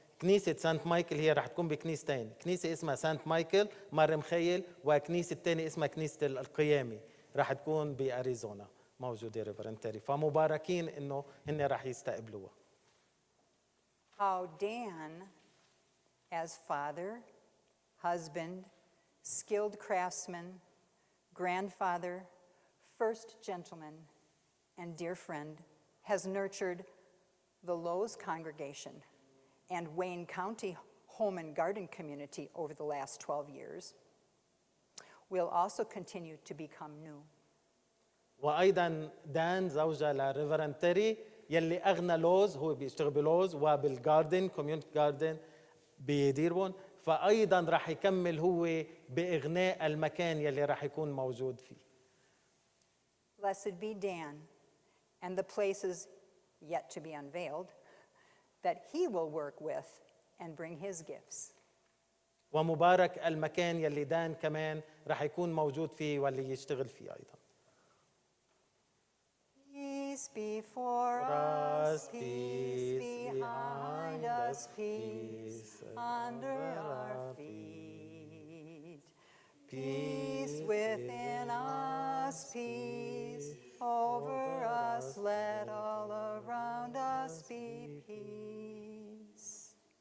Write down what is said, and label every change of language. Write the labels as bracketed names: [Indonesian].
[Arabic] كنيسة سانت مايكل هي راح تكون بكنيستين. كنيسة اسمها سانت مايكل مار مخيل وكنيسة تاني اسمها كنيسة القيامة راح تكون بأريزونا. موجودة ريفرنت تيري. فمباركين إنه هن راح يستقبلوها. [English] How Dan, as father, husband, skilled craftsman, grandfather, first gentleman, and dear friend, has nurtured the Lowe's congregation and Wayne County home and garden community over the last 12 years will also continue to become new. [Arabic] وأيضا دان زوجة لريفرنت تيري يلي أغنى لوز هو بيشتغل بلوز وبالجاردن كوميونتي جاردن بديربون فأيضا راح يكمل هو بإغناء المكان يلي راح يكون موجود فيه. [English] Blessed be Dan and the places yet to be unveiled that he will work with and bring his gifts. [Arabic] ومبارك المكان يلي دان كمان راح يكون موجود فيه واللي يشتغل فيه أيضا. [English] Peace before us, peace behind us, peace under our feet. Peace within us, peace over us, let all around us be peace.